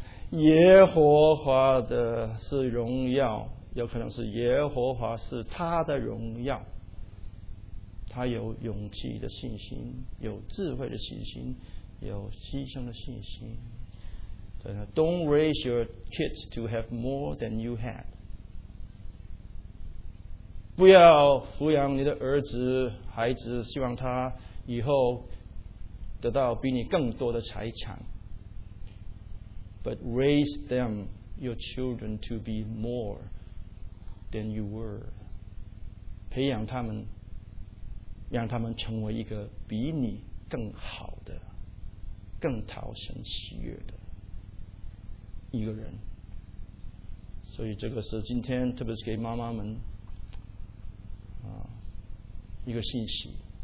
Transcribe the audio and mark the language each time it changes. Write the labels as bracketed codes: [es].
[zh] 耶和华的是荣耀，有可能是耶和华是他的荣耀，他有勇气的信心，有智慧的信心，有牺牲的信心。 [en] Don't raise your kids to have more than you had. [zh] 不要抚养你的儿子孩子希望他以后得到比你更多的财产。 [en] But raise them, your children, to be more than you were. [zh] 培养他们，让他们成为一个比你更好的，更讨神喜悦的一个人。所以这个是今天特别是给妈妈们一个信息。